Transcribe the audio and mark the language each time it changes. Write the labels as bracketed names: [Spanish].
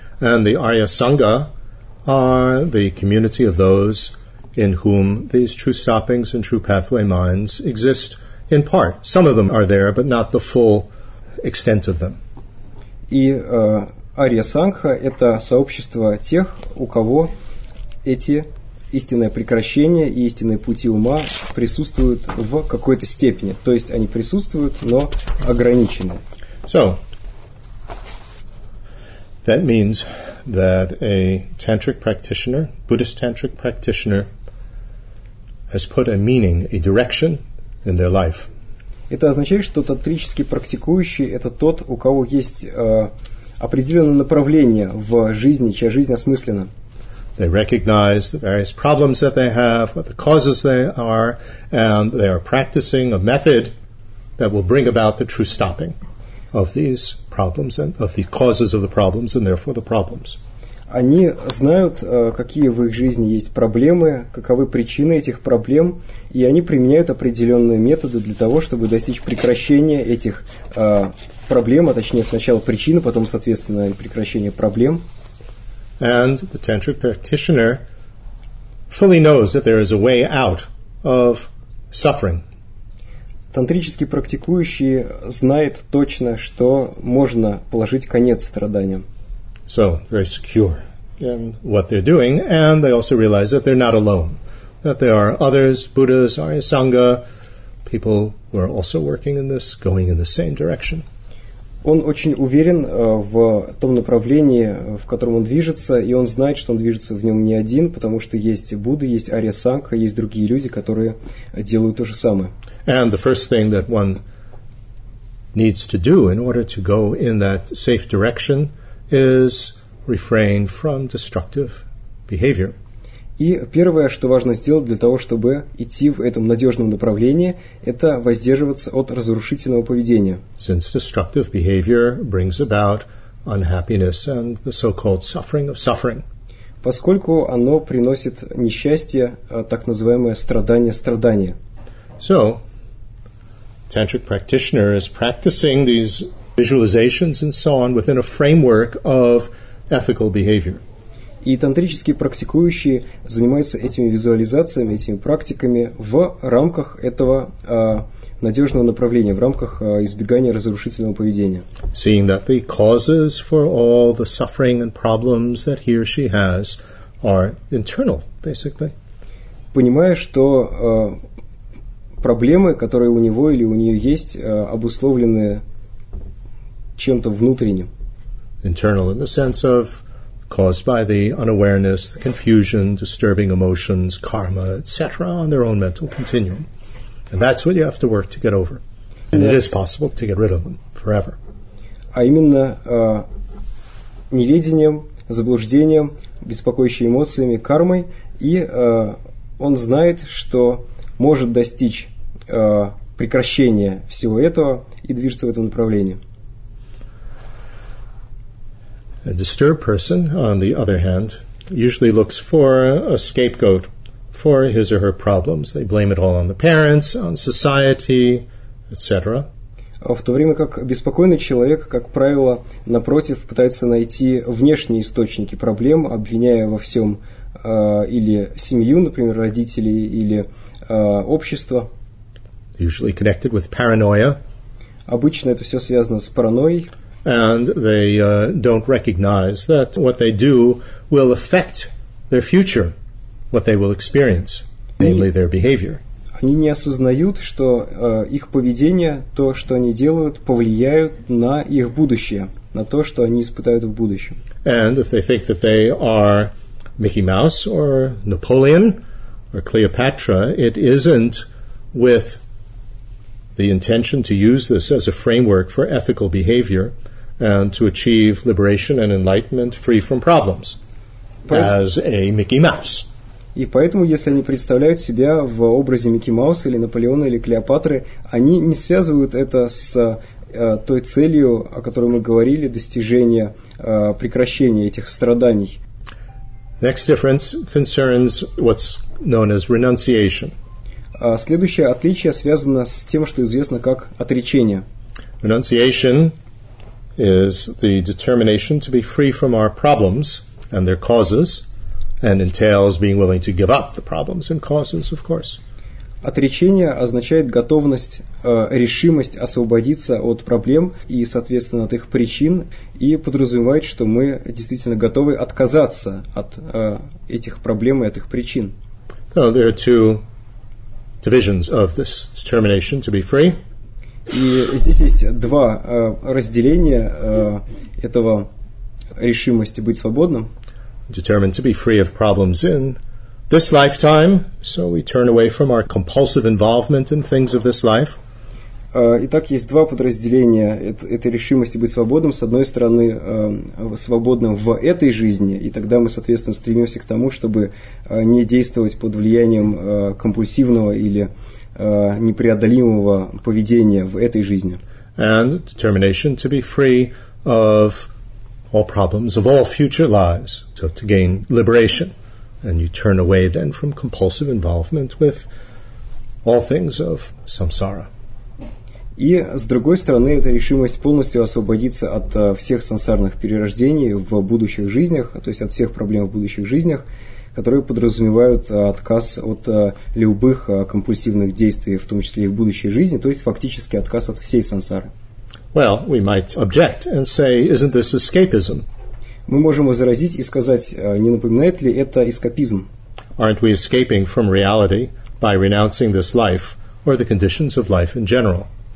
[English] And the Arya Sangha are the community of those in whom these true stoppings and true pathway minds exist in part. Some of them are there, but not the full extent of them. [Russian] И Arya Sangha – это сообщество тех, у кого эти истинное прекращение и истинные пути ума присутствуют в какой-то степени. То есть они присутствуют, но ограничены. [English] So, that means that a tantric practitioner, Buddhist tantric practitioner, has put a meaning, a direction in their life. [Russian] Это означает, что тантрический практикующий – это тот, у кого есть определенное направление в жизни, чья жизнь осмыслена. [English] They recognize the various problems that they have, what the causes they are, and they are practicing a method that will bring about the true stopping of these problems and of the causes of the problems and therefore the problems. [Russian] Они знают, какие в их жизни есть проблемы, каковы причины этих проблем, и они применяют определенные методы для того, чтобы достичь прекращения этих проблем, а точнее сначала причины, потом, соответственно, прекращения проблем. [English] And the tantric practitioner fully knows that there is a way out of suffering. [Russian] Тантрический практикующий знает точно, что можно положить конец страданиям. [English] So, very secure in what they're doing, and they also realize that they're not alone. That there are others, Buddhas, Arya Sangha, people who are also working in this, going in the same direction. [Russian] Он очень уверен в том направлении, в котором он движется, и он знает, что он движется в нем не один, потому что есть Будда, есть Ария Сангха, есть другие люди, которые делают то же самое. [English] And the first thing that one needs to do in order to go in that safe direction is refrain from destructive behavior. [Russian] И первое, что важно сделать для того, чтобы идти в этом надежном направлении, это воздерживаться от разрушительного поведения. [English] Since destructive behavior brings about unhappiness and the so-called suffering of suffering. [Russian] Поскольку оно приносит несчастье, так называемое страдание страдания. [English] So, tantric practitioner is practicing these visualizations and so on within a framework of ethical behavior. [Russian] И тантрические практикующие занимаются этими визуализациями, этими практиками в рамках этого надежного направления, в рамках избегания разрушительного поведения. [English] Seeing that the causes for all the suffering and problems that he or she has are internal, basically. [Russian] Понимая, что проблемы, которые у него или у нее есть, обусловлены чем-то внутренним. [English] Internal in the sense of caused by the unawareness, the confusion, disturbing emotions, karma, etc., on their own mental continuum. And that's what you have to work to get over. And it is possible to get rid of them forever. [Russian] А именно неведением, заблуждением, беспокоящими эмоциями, кармой, и он знает, что может достичь прекращения всего этого и движется в этом направлении. [English] A disturbed person, on the other hand, usually looks for a scapegoat for his or her problems. They blame it all on the parents, on society, etc. [Russian] В то время как беспокойный человек, как правило, напротив, пытается найти внешние источники проблем, обвиняя во всем или семью, например, родителей, или общество. [English] Usually connected with paranoia. [Russian] Обычно это все связано с паранойей. [English] And they don't recognize that what they do will affect their future, what they will experience, namely their behavior. [Russian] Они не осознают, что их поведение, то, что они делают, повлияют на их будущее, на то, что они испытают в будущем. [English] And if they think that they are Mickey Mouse or Napoleon or Cleopatra, it isn't with the intention to use this as a framework for ethical behavior and to achieve liberation and enlightenment free from problems as a Mickey Mouse. [Russian] И поэтому, если они представляют себя в образе Микки Мауса или Наполеона или Клеопатры, они не связывают это с той целью, о которой мы говорили, достижение прекращения этих страданий. [English] Next difference concerns what's known as renunciation. [Russian] Следующее отличие связано с тем, что известно как отречение. [English] Renunciation is the determination to be free from our problems and their causes. And entails being willing to give up the problems and causes, of course. [Russian] Отречение означает готовность, решимость освободиться от проблем и, соответственно, от их причин, и подразумевает, что мы действительно готовы отказаться от этих проблем и от их причин. [English] So there are two divisions of this determination to be free. [Russian] И здесь есть два разделения этого решимости быть свободным. [English] Determined to be free of problems in this lifetime, so we turn away from our compulsive involvement in things of this life. [Russian] Итак, есть два подразделения этой решимости быть свободным. С одной стороны, свободным в этой жизни, и тогда мы, соответственно, стремимся к тому, чтобы не действовать под влиянием компульсивного или непреодолимого поведения в этой жизни. [English] And determination to be free of all problems of all future lives, so to gain liberation. And you turn away then from compulsive involvement with all things of samsara. [Russian] И, с другой стороны, это решимость полностью освободиться от всех сансарных перерождений в будущих жизнях, то есть от всех проблем в будущих жизнях, которые подразумевают отказ от любых компульсивных действий, в том числе и в будущей жизни, то есть фактически отказ от всей сансары. [English] Well, we might object and say, isn't this escapism? [Russian] Мы можем возразить и сказать, не напоминает ли это эскапизм? [English] Aren't we escaping from reality by renouncing this life or the conditions of life in general?